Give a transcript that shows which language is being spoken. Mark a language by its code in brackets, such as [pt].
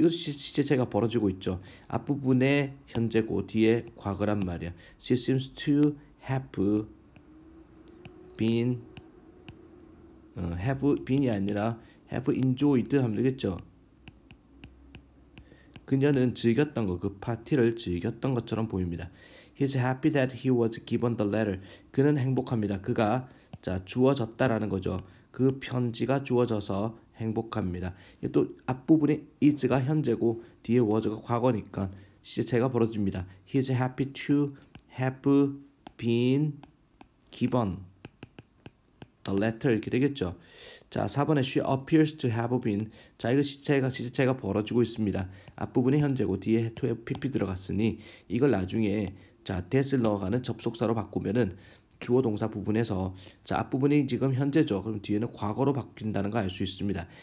[ko] 이거 시제 차이가 벌어지고 있죠. 앞부분에 현재고 뒤에 과거란 말이야. [en] She seems to have been이 아니라 have enjoyed [ko] 하면 되겠죠. 그녀는 즐겼던 거, 그 파티를 즐겼던 것처럼 보입니다. [en] He's happy that he was given the letter. [ko] 그는 행복합니다. 그가 자 주어졌다라는 거죠. 그 편지가 주어져서 행복합니다. 이게 또 앞부분에 is가 현재고 뒤에 was가 과거니까 시제가 벌어집니다. [en] He's happy to have been given the letter [ko] 이렇게 되겠죠. 자, 4번에 [en] she appears to have been. [ko] 자, 이거 시제가 벌어지고 있습니다. 앞부분에 현재고 뒤에 to have pp 들어갔으니 이걸 나중에 자, that을 넣어가는 접속사로 바꾸면은 주어 동사 부분에서 자, 앞부분이 지금 현재죠. 그럼 뒤에는 과거로 바뀐다는 거알수 있습니다.